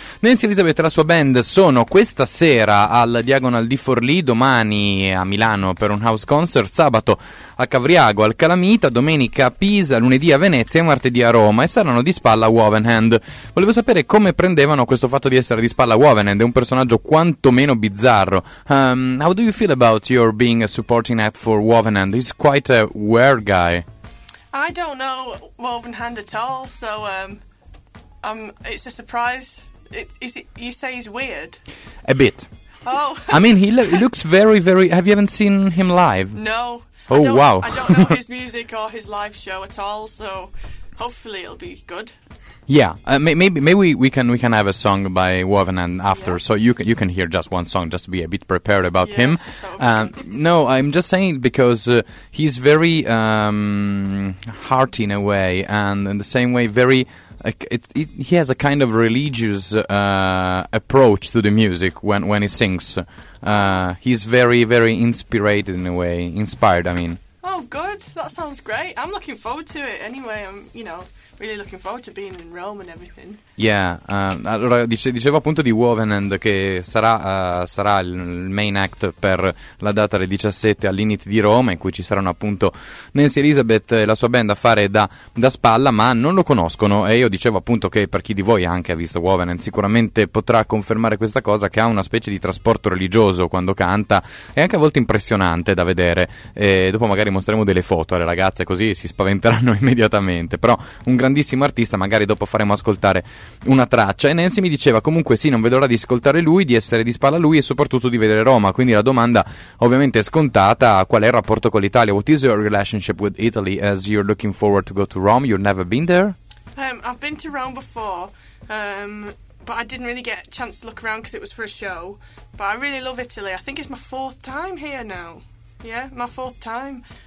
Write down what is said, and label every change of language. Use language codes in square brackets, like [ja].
[it] Nancy Elizabeth e la sua band sono questa sera al Diagonal di Forlì, domani a Milano per un house concert, sabato a Cavriago, al Calamita, domenica a Pisa, lunedì a Venezia e martedì a Roma, e saranno di spalla a Wovenhand. Volevo sapere come prendevano questo fatto di essere di spalla a Wovenhand, è un personaggio quantomeno bizzarro. [en] How do you feel about your being a supporting act for Wovenhand? He's quite a weird guy. I don't know Wovenhand at all, so it's a surprise. You say he's weird? A bit. Oh. I mean, he looks very, very... Have you haven't seen him live? No. Oh, wow. I don't know his music or his live show at all, so hopefully it'll be good. Yeah, maybe we can have a song by Wovenhand after, yeah. So you can hear just one song, just to be a bit prepared about him. No, I'm just saying because he's very hearty in a way, and in the same way, very he has a kind of religious approach to the music when he sings. He's very, very inspired in a way. Oh, good. That sounds great. I'm looking forward to it anyway. Really looking forward to being in Rome and everything. [it] Yeah, allora dicevo appunto di Wovenhand, che sarà il main act per la data del 17 all'Init di Roma, in cui ci saranno appunto Nancy Elizabeth e la sua band a fare da spalla, ma non lo conoscono, e io dicevo appunto che per chi di voi anche ha visto Wovenhand sicuramente potrà confermare questa cosa, che ha una specie di trasporto religioso quando canta, è anche a volte impressionante da vedere, e dopo magari mostreremo delle foto alle ragazze così si spaventeranno immediatamente, però un grandissimo artista, magari dopo faremo ascoltare una traccia. E Nancy mi diceva comunque sì, non vedo l'ora di ascoltare lui, di essere di spalla a lui e soprattutto di vedere Roma, quindi la domanda ovviamente è scontata: qual è il rapporto con l'Italia? [en] What is your relationship with Italy as you're looking forward to go to Rome? You've never been there? I've been to Rome before, but I didn't really get a chance to look around because it was for a show, but I really love Italy. I think it's my fourth time here now. Yeah, my fourth time.